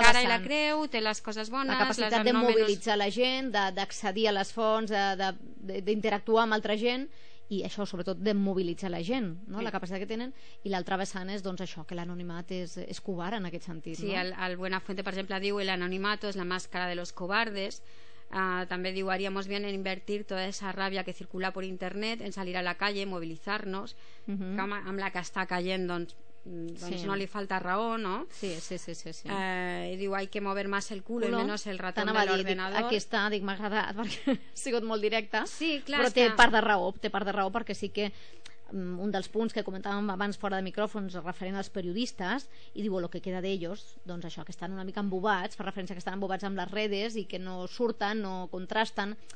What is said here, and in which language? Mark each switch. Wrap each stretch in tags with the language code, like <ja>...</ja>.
<ca>La cara i la creu, té les coses bones, la capacitat de mobilitzar la gent, d'accedir a les fonts, d'interactuar amb altra gent, i això sobretot de mobilitzar la gent, no? Sí. La capacitat que tenen, i l'altra vessant és doncs això, que l'anonimat és covard en aquest sentit. Sí, no? el Buenafuente, per exemple, diu:</ca> <es>el anonimato es la máscara de los cobardes.</es> <ca>També diu:</ca> <es>haríamos bien en invertir toda esa rabia que circula por internet en salir a la calle, mobilizarnos. Uh-huh.</es> <ca>Amb la que està caient, doncs sí, no li falta raó, no? Sí. I diu:</ca> <es>hay que mover más el culo y menos el ratón del ordenador.</es> <ca>Dic, aquí està, dic, m'ha agradat perquè ha sigut molt directa. Sí, clar, però té part de raó perquè sí que un dels punts que comentàvem abans fora de micròfons referent als periodistes, i diu: lo que queda d'ells, doncs això, que estan una mica embobats, fa referència que estan embobats amb les redes i que no surten, no contrasten.</ca>